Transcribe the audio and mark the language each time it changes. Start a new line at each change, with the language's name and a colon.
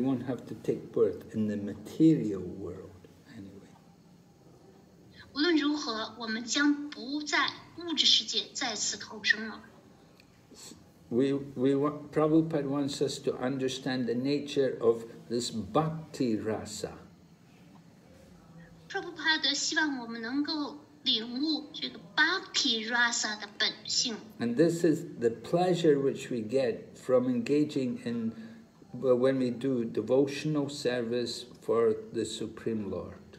English: won't have to take birth in the material world anyway.
Chinese: 无论如何，我们将不在物质世界再次投生了。
English: We want, Prabhupada wants us to understand the nature of this bhakti rasa. And this is the pleasure which we get from engaging in, well, when we do devotional service for the Supreme Lord.